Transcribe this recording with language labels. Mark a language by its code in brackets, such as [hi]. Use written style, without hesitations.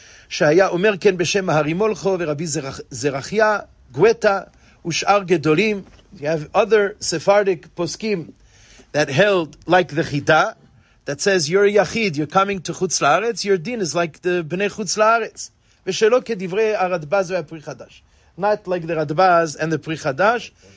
[he] שהיה אומר כן בשם מהרי מולכו ורבי זרחיה, גוויטה ושאר גדולים. [en] You have other Sephardic poskim that held like the Chida, that says you're a yachid, you're coming to Chutz La'aretz, your din is like the Bnei Chutz La'aretz. [he] ושלא כדברי הרדבז והפרי חדש. [en] Not like the רדבז and the פרי חדש.